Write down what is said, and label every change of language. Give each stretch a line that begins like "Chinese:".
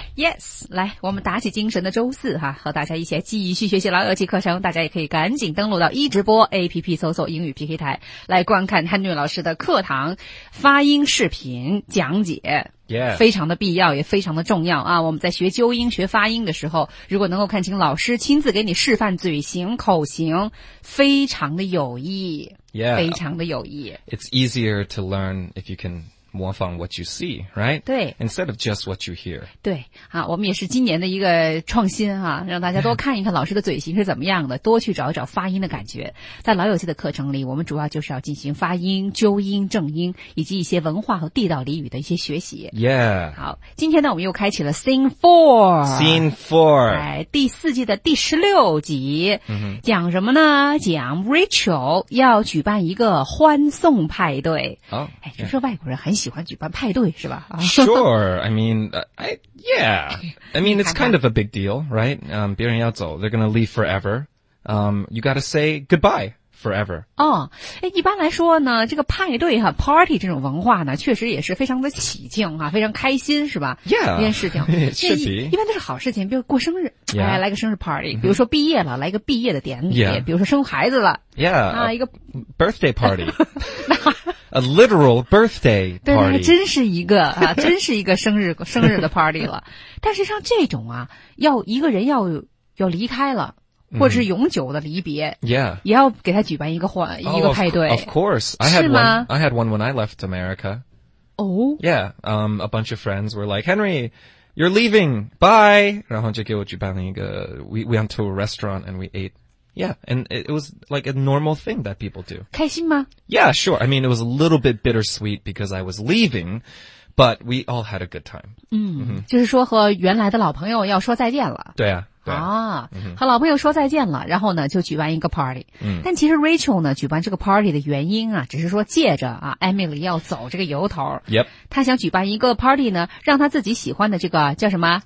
Chinese: Yes, 来我们打起精神的周四哈，和大家一起继续学习老友记课程，大家也可以赶紧登录到一直播 APP 搜索英语 PK 台来观看 Henry老师的课堂发音视频讲解、
English: yeah.
Chinese: 非常的必要也非常的重要啊！我们在学纠音学发音的时候，如果能够看清老师亲自给你示范嘴型口型，非常的有益、
English: yeah.
Chinese: 非常的有益。
English: It's easier to learn if you can模仿 what you see, right?
Chinese: 对
English: Instead of just what you hear.
Chinese: 对、啊、我们也是今年的一个创新、啊、让大家多看一看老师的嘴型是怎么样的多去找一找发音的感觉。在老友记的课程里，我们主要就是要进行发音、纠音、正音以及一些文化和地道俚语的一些学习。
English: Yeah.
Chinese: 好，今天呢我们又开启了 Scene 4.
English: Scene 4.
Chinese: 第四季的第16集、 mm-hmm. 讲什么呢？讲 Rachel 要举办一个欢送派对。 Oh, 哎，就是外国人很喜欢举办派对是吧
English: Sure, I mean, it's kind of a big deal, right?
Chinese: 别人要走
English: they're going to leave forever. You got to say goodbye forever.
Chinese: 哦、一般来说呢这个派对哈 party 这种文化呢确实也是非常的喜庆啊非常开心是吧
English: Yeah,
Chinese: 这件事情
English: it should be.
Chinese: 一般都是好事情比如过生日、
English: yeah.
Chinese: 来个生日 party, 比如说毕业了、mm-hmm. 来个毕业的典礼、
English: yeah.
Chinese: 比如说生孩子了
English: Yeah,
Chinese: 啊一个
English: birthday party. A literal birthday party.
Chinese: 对，那真是一个啊，真是一个生日的 party 了。但是像这种啊，要一个人要离开了，或者是永久的离别、
English: mm-hmm. ，Yeah，
Chinese: 也要给他举办一个欢、 oh, 一个派对。
English: Of course, I had one. I had one when I left America. Oh, yeah. A bunch of friends were like, Henry, you're leaving. Bye.
Chinese: 然后就给我举办了一个
English: ，we went to a restaurant and we ate. Yeah, and it was like a normal thing that people do.
Chinese: 开心吗?
English: Yeah, sure. I mean, it was a little bit bittersweet because I was leaving, but we all had a good time. 嗯、mm-hmm.
Chinese: 就是说和原来的老朋友要说再见了。对啊。对啊。啊 mm-hmm. 和老朋友说再见了然后呢就举办一个 party.、嗯、但其实 Rachel 呢举办这个 party 的原因啊只是说借着啊 Emily 要走这个由头。
English: Yep.
Chinese: 他想举办一个 party 呢让他自己喜欢的这个叫什么